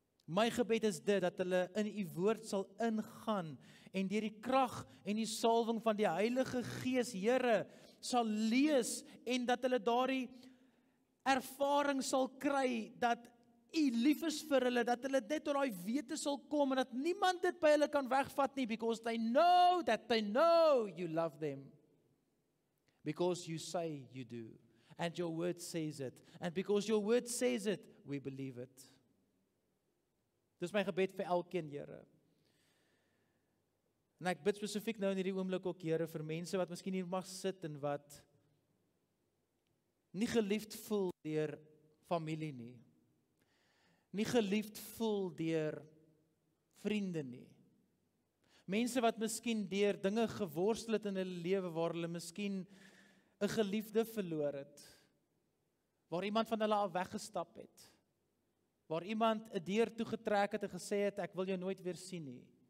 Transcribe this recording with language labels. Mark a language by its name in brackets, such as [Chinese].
[Afrikaans] My gebed is dit, dat hulle in u woord sal ingaan, en deur die krag en die salwing van die Heilige Gees, Here, sal lees, en dat hulle daardie ervaring sal kry, dat u lief is vir hulle, dat hulle dit oor die wete sal kom, en dat niemand dit by hulle kan wegvat nie, [English] because they know that they know you love them. Because you say you do. And your word says it. And because your word says it, we believe it. [Afrikaans] Dit is my gebed vir elkeen, Here. En ek bid spesifiek nou in hierdie oomblik ook, Here, vir mense wat miskien hier mag sit en wat nie geliefd voel deur familie nie. Nie geliefd voel deur vriende nie. Mense wat miskien deur dinge geworstel het in hulle lewe waar hulle miskien 'n geliefde verloor het. Waar iemand van hulle al weggestap het. Waar iemand 'n deur toegetrek het en gesê het, ek wil jou nooit weer sien nie.